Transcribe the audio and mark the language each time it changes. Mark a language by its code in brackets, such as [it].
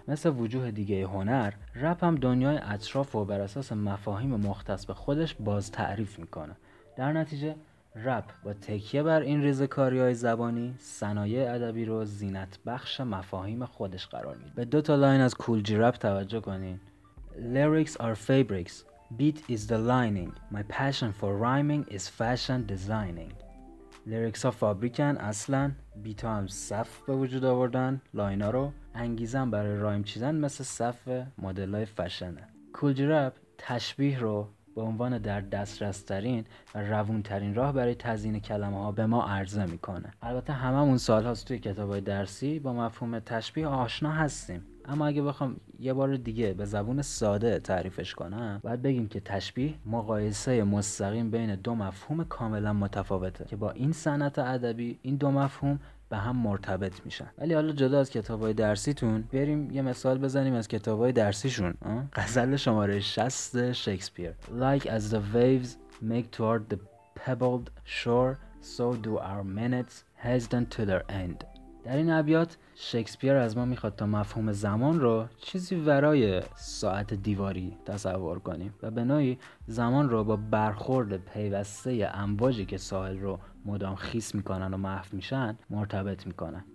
[fa] مثل وجوه دیگه هنر، رپ هم دنیای اطراف و بر اساس مفاهیم مختص به خودش باز تعریف میکنه. در نتیجه رپ با تکیه بر این ریزه‌کاری‌های زبانی، صنایع ادبی رو زینت بخش مفاهیم خودش قرار میده. به دو تا لاین از کول جی رپ توجه کنین. [en] Lyrics are fabrics, beat is the lining, my passion for rhyming is fashion designing. [fa] لیریکس ها فابریکن، اصلا بیت ها هم صف به وجود آوردن لاین ها رو، انگیزه هم برای رایم چیزن مثل صف مدل های فشنه. کول جی رپ تشبیه رو به عنوان در دسترس ترین و روون ترین راه برای تزیین کلمه ها به ما عرضه میکنه. البته هممون سال هاست توی کتاب های درسی با مفهوم تشبیه آشنا هستیم، اما اگه بخوام یه بار دیگه به زبون ساده تعریفش کنم، باید بگیم که تشبیه مقایسه مستقیم بین دو مفهوم کاملا متفاوته که با این سنت ادبی این دو مفهوم به هم مرتبط میشن. ولی حالا جدا از کتابای درسیتون، بریم یه مثال بزنیم از کتابای درسیشون. غزل شماره 60 شکسپیر. [en] Like as the waves make toward the pebbled shore, so do our minutes hasten to their end. [fa] در این ابیات شکسپیر از ما میخواد تا مفهوم زمان رو چیزی ورای ساعت دیواری تصور کنیم و به نوعی زمان رو با برخورد پیوسته امواجی که ساحل رو مدام خیس میکنن و محو میشن مرتبط میکنن.